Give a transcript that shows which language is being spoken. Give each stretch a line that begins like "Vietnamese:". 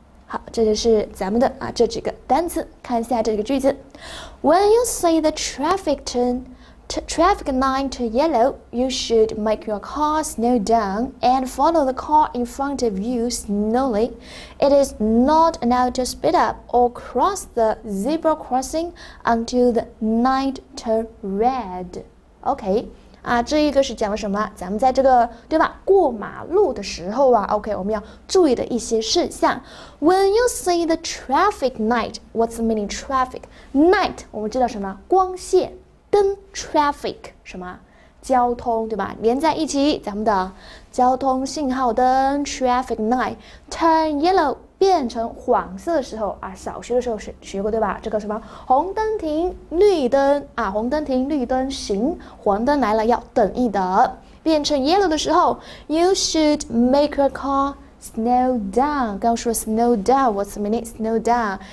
Chinese: 好，这就是咱们的啊这几个单词。
English: 看一下这个句子 ：When you see the traffic turn traffic line to yellow, you should make your car slow down and follow the car in front of you slowly. It is not allowed to speed up or cross the zebra crossing until the light turn red.
Chinese: Okay. 啊，这一个是讲了什么？咱们在这个对吧？过马路的时候啊 ，OK， 我们要注意的一些事项。
English: When you see the traffic light, what's the meaning traffic?
Chinese: Night， 我们知道什么？光线灯 traffic 什么？交通对吧？连在一起，咱们的交通信号灯
English: traffic light turn yellow
Chinese: 变成黄色的时候啊，小学的时候学过对吧？这个什么红灯停，绿灯啊，红灯停，绿灯行，黄灯来了要等一等。变成
English: yellow
Chinese: 的时候
English: ，you should make your car slow down。
Chinese: 刚说
English: slow down，what's the meaning slow down？